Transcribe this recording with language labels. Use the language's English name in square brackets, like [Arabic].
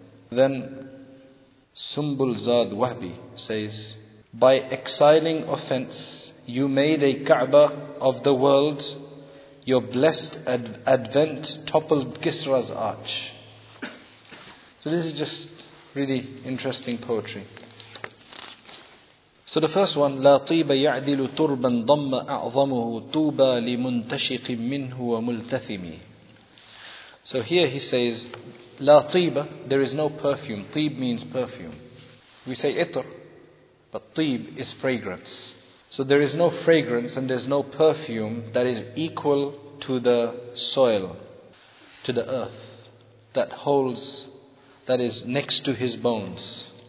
[English] Then Sumbul Zad Wahbi says, by exiling offense, you made a Kaaba of the world. Your blessed advent toppled Kisra's arch. So this is just really interesting poetry. So the first one, [Arabic] لا طيب يعدل تربا ضم أعظمه طوبى لمنتشق منه وملتثمي. [English] So here he says, [Arabic] لا طيب, [English] there is no perfume. طيب means perfume. We say itr, but طيب is fragrance. So there is no fragrance and there's no perfume that is equal to the soil, to the earth, that holds, that is next to his bones.